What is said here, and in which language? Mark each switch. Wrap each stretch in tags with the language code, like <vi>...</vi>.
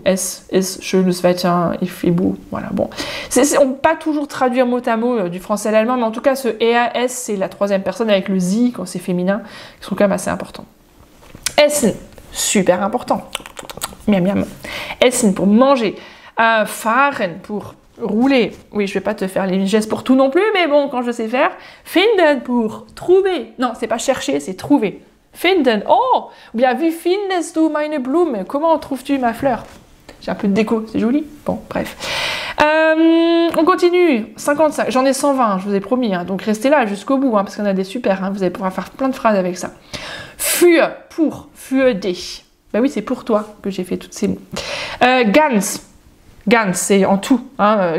<de>Es ist schönes Wetter,</de> <fr>il fait beau. Voilà, bon. On ne peut pas toujours traduire mot à mot du français à l'allemand, mais en tout cas, ce EAS, c'est la troisième personne avec le Z quand c'est féminin, qui sont quand même assez importants. Essen, super important. Miam, miam. Essen pour manger. Fahren pour rouler. Oui, je vais pas te faire les gestes pour tout non plus, mais bon, quand je sais faire. Finden pour trouver. Non, c'est pas chercher, c'est trouver. Finden.</fr> <de>Oh, bien, wie findest du meine Blume?</de> <fr>Comment trouves-tu ma fleur? J'ai un peu de déco, c'est joli. Bon, bref. On continue. 55. J'en ai 120, je vous ai promis. Hein. Donc restez là jusqu'au bout, hein, parce qu'on a des super. Hein. Vous allez pouvoir faire plein de phrases avec ça. Für, pour, für dich. Ben oui, c'est pour toi que j'ai fait toutes ces mots. Gans. Gans, c'est en tout. Hein.</fr>